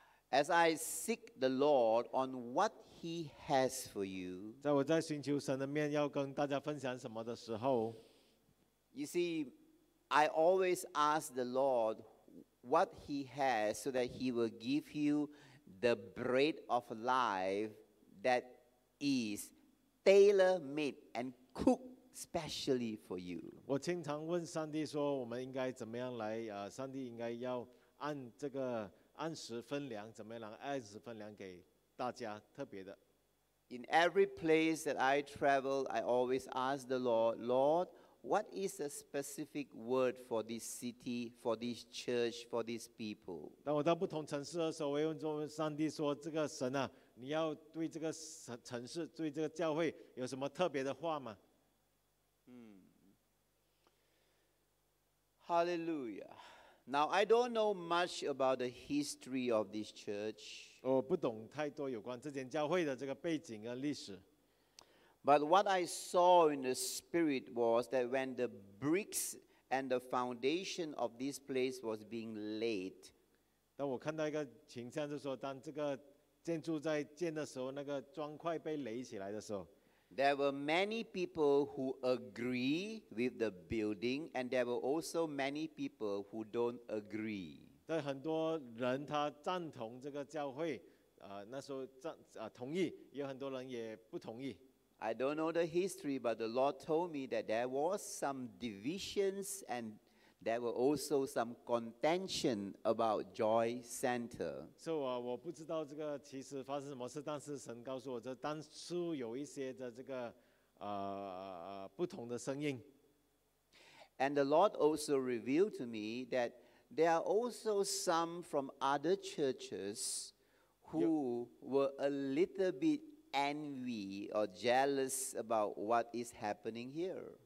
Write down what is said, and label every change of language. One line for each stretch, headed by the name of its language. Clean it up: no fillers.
English: as I seek the Lord on what He has for you,
Chinese: 在我在寻求神的面要跟大家分享什么的时候,
English: you see, I always ask the Lord. What he has, so that he will give you the bread of life that is tailor-made and cooked specially for you.
Chinese: 我经常问上帝说，我们应该怎么样来？上帝应该要按这个按时分粮，怎么样来按时分粮给大家特别的
English: ？In every place that I travel, I always ask the Lord, Lord. What is a specific word for this city, for this church, for these people?
Chinese: 当我到不同城市的时候，我用中文上帝说：“这个神啊，你要对这个城市、对这个教会有什么特别的话吗？”
English: Hallelujah. Now I don't know much about the history of this church.
Chinese: 我不懂太多有关这间教会的这个背景和历史。
English: But what I saw in the spirit was that when the bricks and the foundation of this place was being laid,
Chinese: 当我看到一个景象就是说, 当这个建筑在建的时候, 那个砖块被垒起来的时候,
English: there were many people who agree with the building, and there were also many people who don't agree.
Chinese: 但很多人他赞同这个教会, 那时候同意, 也有很多人也不同意。
English: I don't know the history, but the Lord told me that there was some divisions and there were also some contention about Joy Center.
Chinese: So, 我不知道这个其实发生什么事，但是神告诉我，这当初有一些的这个不同的声音。
English: And the Lord also revealed to me that there are also some from other churches who were a little bit envy or jealous about what is happening here.